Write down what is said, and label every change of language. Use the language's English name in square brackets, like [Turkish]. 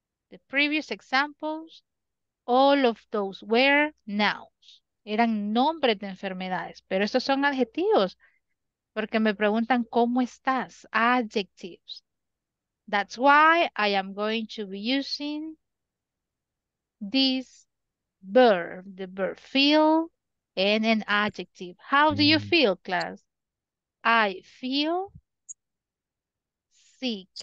[English] The previous examples, all of those were nouns. [Spanish] Eran nombres de enfermedades, pero estos son adjetivos. Porque me preguntan, ¿cómo estás? Adjectives. [English] That's why I am going to be using this verb, the verb feel, and an adjective. How do you feel, class? I feel sick.